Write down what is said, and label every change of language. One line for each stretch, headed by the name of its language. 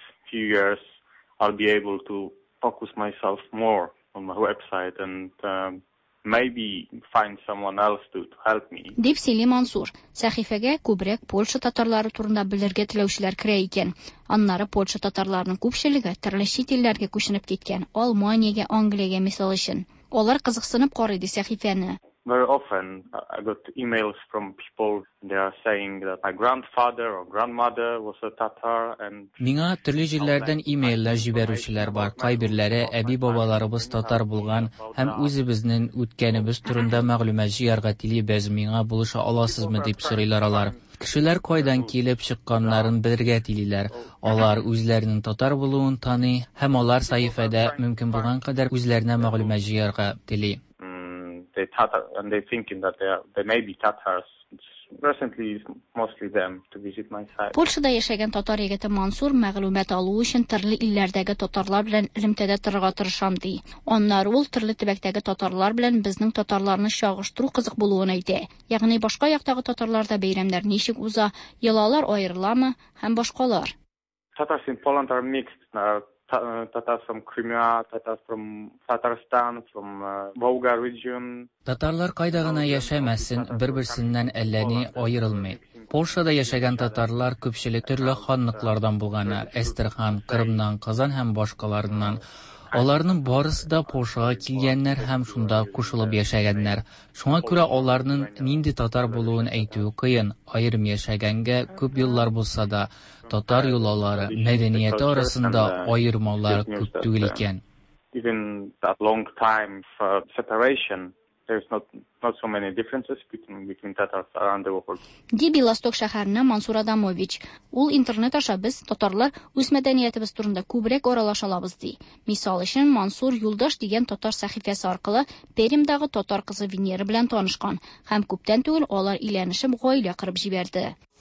English: Few years I'll be able to focus myself more on my website and maybe find someone else to help me.
Tatar: Дип сөйли Мансур. Сәхифәгә күбрәк Польша татарлары турында белергә теләүчеләр керә икән. Аннары Польша татарларының күпчелеге төрле чит илләргә күченеп киткән. Алманиягә, Англиягә мисал өчен. Алар кызыксынып карый ди сәхифәне.
English: Very often I got emails from people, they are saying that my grandfather or grandmother was a Tatar and
Tatar: Миңа төрле җирләрдән имейллар җибәрүчеләр бар. Кайберләре әби бабаларыбыз татар булган һәм үзебезнең үткәнебез турында мәгълүмат җыярга телибез, миңа булыша аласызмы дип сорыйлар алар. Кешеләр кайдан килеп чыкканнарын белергә телиләр. Алар үзләренең татар булуын таный һәм алар сайфада мөмкин булган кадәр үзләренә мәгълүмат җыярга тели.
English: They Tatar and they thinking that they may be Tatars. Recently it's mostly them to visit my site.
Tatar: Польшада яшәгән татар егете Мансур мәгълүмат алу өчен төрле илләрдәге татарлар белән элемтәдә торырга тырышам ди. Аннары ул төрле төбәктәге татарлар белән безнең татарларны чагыштыру кызык булуын әйтә. Ягъни башка яктагы татарларда бәйрәмнәр ничек уза, йолалар аерыламы һәм башкалар.
English: Tatars in Poland are mixed now. Tatars from Crimea, Tatars from Tatarstan, from Volga region.
Tatar: Татарлар кайда гына яшәмәсен, бер-берсеннән әлләни аерылмый. Польшада яшәгән татарлар күпчелек төрле ханлыклардан булган, Астрахан, Кырымнан, Казан һәм башкаларыннан. Аларның барысы да Польшага килгәннәр һәм шунда кушылып яшәгәннәр. Шуңа күрә аларның нинди татар булуын әйтүе кыен, аерым яшәгәнгә күп еллар булса да, татар юлалары, мәдәнияте арасында аермалар күп түгел икән.
English: Even that long time for separation, there's not so many differences between Tatars around the world.
Tatar: Дибилосток шәһәренә Мансур Адамович. Ул интернет аша без татарлар үз мәдәниятебез турында күбрәк аралашалабыз ди. Мисал өчен Мансур Юлдаш дигән татар сәхифәсе аркылы Перемдагы татар кызы Венера белән танышкан һәм күптән түгел алар иләнешеп гаилә кырып җибәрде.